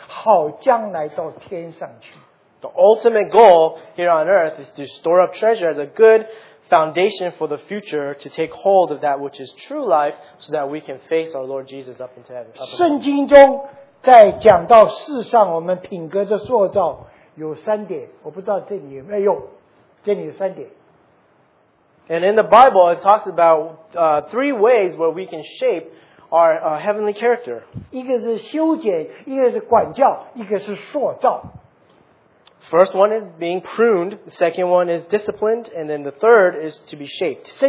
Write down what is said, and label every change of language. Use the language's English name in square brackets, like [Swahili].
[Chinese] 是在我们地上要集成美好的根基，持定生命，好将来到天上去。 [English] The ultimate goal here on earth is to store up treasure as a good foundation for the future to take hold of that which is true life so that we can face our Lord Jesus up into heaven. [Chinese] 圣经中在讲到世上我们品格的塑造有三点，我不知道这里有没有，这里有三点。 [English] And in the Bible it talks about three ways where we can shape our heavenly character. [Chinese] 一个是修剪，一个是管教，一个是塑造。 [English] First one is being pruned, the second one is disciplined, and then the third is to be shaped.